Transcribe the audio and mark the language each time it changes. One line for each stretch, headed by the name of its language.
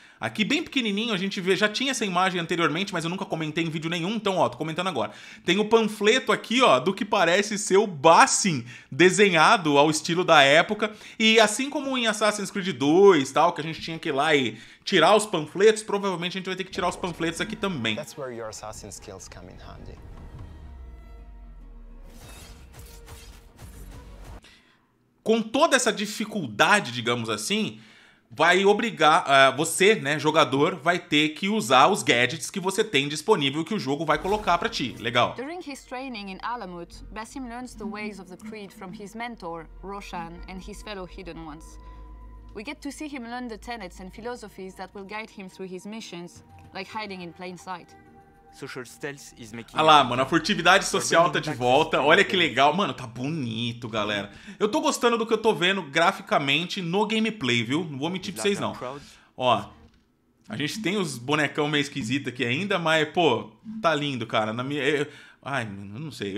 Portuguese: Aqui bem pequenininho a gente vê, já tinha essa imagem anteriormente, mas eu nunca comentei em vídeo nenhum, então ó, tô comentando agora. Tem o panfleto aqui, ó, do que parece ser o Bassin desenhado ao estilo da época. E assim como em Assassin's Creed 2 e tal, que a gente tinha que ir lá e tirar os panfletos, provavelmente a gente vai ter que tirar os panfletos aqui também.
English: That's where your assassin skills come in handy.
Portuguese: Com toda essa dificuldade, digamos assim, vai obrigar, você, né, jogador, vai ter que usar os gadgets que você tem disponível que o jogo vai colocar pra ti. Legal.
English: During his training in Alamut, Bassim learns the ways of the Creed from his mentor, Roshan, and his fellow Hidden Ones. We get to see him learn the tenets and philosophies that will guide him through his missions, like hiding in plain sight. Social stealth is making...
Portuguese: Ah lá, mano, a furtividade social tá de volta. Olha que legal. Mano, tá bonito, galera. Eu tô gostando do que eu tô vendo graficamente no gameplay, viu? Não vou mentir pra vocês, não. Ó, a gente tem os bonecão meio esquisito aqui ainda, mas, pô, tá lindo, cara. Na minha... Ai, mano, não sei.